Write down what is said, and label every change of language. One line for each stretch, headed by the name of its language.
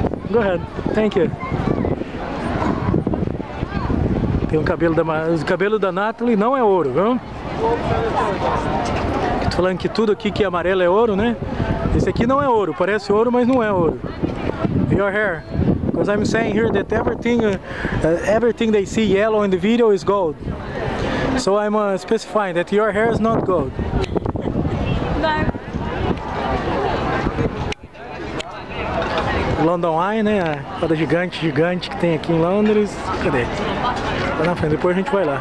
English: Go ahead. Thank you.
Portuguese: Tem o cabelo da... O cabelo da Natalie não é ouro, viu? Tô falando que tudo aqui que é amarelo é ouro, né? Esse aqui não é ouro. Parece ouro, mas não é ouro.
English: Your hair. Because I'm saying here that everything they see yellow in the video is gold. So I'm specifying that your hair is not gold. No.
Portuguese: London Eye, né? A roda gigante que tem aqui em Londres. Cadê? Lá na frente, depois a gente vai lá.